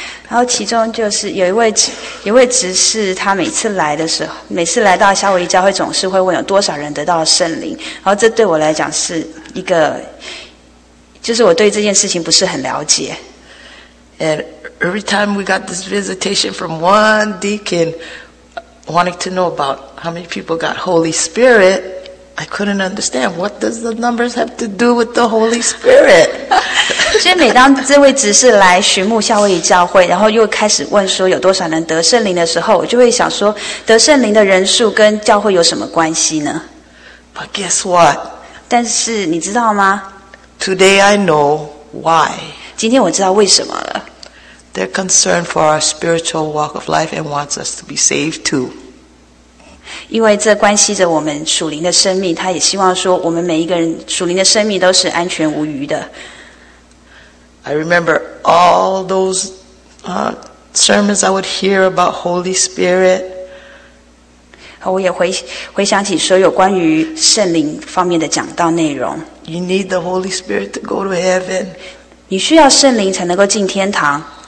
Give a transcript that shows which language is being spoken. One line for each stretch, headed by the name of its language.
Chinese: 然后其中就是有一位执事，他每次来到夏威夷教会，总是会问有多少人得到圣灵。然后这对我来讲是一个，就是我对这件事情不是很了解。
English: And every time we got this visitation from one deacon wanting to know about how many people got Holy Spirit, I couldn't understand what does the numbers have to do with the Holy Spirit.
Chinese: 所以每当这位执事来巡牧夏威夷教会，然后又开始问说有多少人得圣灵的时候，我就会想说得圣灵的人数跟教会有什么关系呢？
English: But guess what?
Chinese: 但是你知道吗？
English: Today I know why.
Chinese: 今天我知道为什么了。
English: They're concerned for our spiritual walk of life and wants us to be saved too.
Chinese: 因为这关系着我们属灵的生命，他也希望说我们每一个人属灵的生命都是安全无虞的。
English: I remember all those sermons I would hear about Holy Spirit.
Chinese: 我也回想起所有关于圣灵方面的讲道内容。
English: You need the Holy Spirit to go to heaven.
Chinese: 你需要圣灵才能够进天堂。